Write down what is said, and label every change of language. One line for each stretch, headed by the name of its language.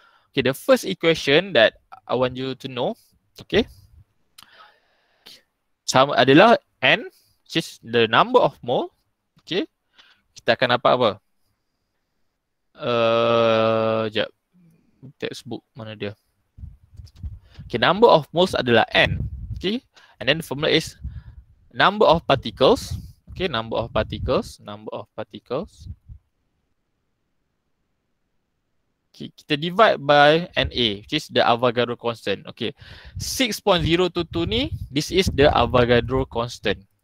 English: Okay, the first equation that I want you to know, okay,
Malay: sama adalah
English: N, which is the number of mole.
Malay: Okay, kita akan dapat apa? Sekejap. Textbook mana dia?
English: Okay, number of moles
Malay: adalah
English: N. Okay, and then the formula is number of particles. Okay, number of particles. Number of particles. Okay,
Malay: kita
English: divide by NA, which is the Avogadro constant. Okay, 6.022
Malay: ni,
English: this is the Avogadro constant.